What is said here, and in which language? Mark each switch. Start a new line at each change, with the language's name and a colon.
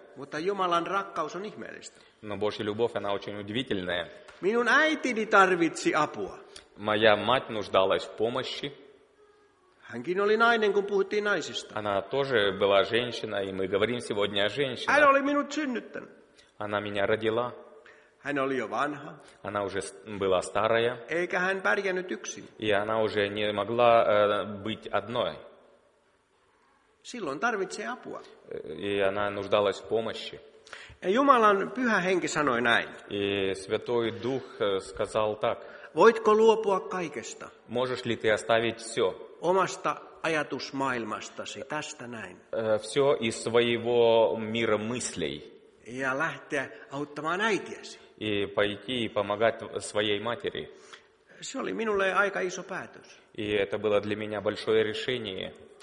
Finnish: Mutta Jumalan rakkaus on ihmeellistä.
Russian: Но Божья любовь, она очень удивительная.
Finnish: Minun äitini tarvitsi apua.
Russian: Моя мать нуждалась в помощи.
Finnish: Hänkin oli nainen, kun puhuttiin naisista.
Russian: Она тоже была женщина, и мы говорим сегодня о женщине.
Finnish: Hän oli minut synnyttänyt.
Russian: Она меня родила.
Finnish: Hän oli jo vanha.
Russian: Она уже была старая.
Finnish: Eikä hän pärjännyt yksin.
Russian: И она уже не могла быть одной.
Finnish: Silloin tarvitsee apua.
Russian: И она нуждалась в помощи.
Finnish: Ja Jumalan pyhä henki sanoi näin.
Russian: И Святой Дух сказал так.
Finnish: Voitko luopua kaikesta?
Russian: Можешь ли ты оставить все?
Finnish: Omasta ajatus maailmastasi tästä näin.
Russian: Все из своего мира мыслей.
Finnish: Ja lähteä auttamaan äitiäsi.
Russian: И пойти помогать своей матери.
Finnish: Se oli minulle aika iso päätös.
Russian: И это было для меня большое решение.